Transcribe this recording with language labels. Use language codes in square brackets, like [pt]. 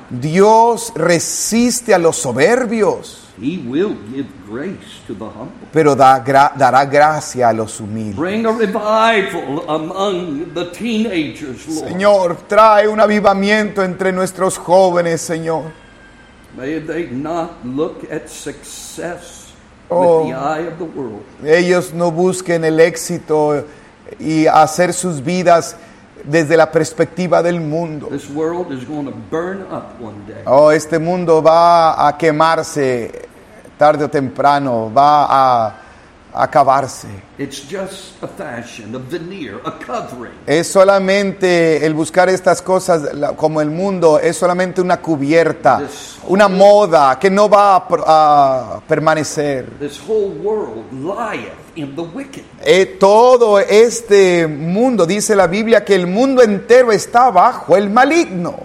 [es] Dios resiste a los soberbios. [en] He will give grace to the humble. [es] Pero dará gracia a los humildes. [en] Bring a revival among the teenagers, Lord. [es] Señor, trae un avivamiento entre nuestros jóvenes, Señor. [en] May they not look at success with the eye of the world. [es] Ellos no busquen el éxito y hacer sus vidas desde la perspectiva del mundo. [en] This world is going to burn up one day. [es] Oh, este mundo va a quemarse tarde o temprano, va a acabarse. [en] It's just a fashion, a veneer, a covering. [es] Es solamente el buscar estas cosas como el mundo, es solamente una cubierta, una moda que no va a permanecer. [en] This whole world lieth in the wicked. [es] Todo este mundo, dice la Biblia, que el mundo entero está bajo el maligno.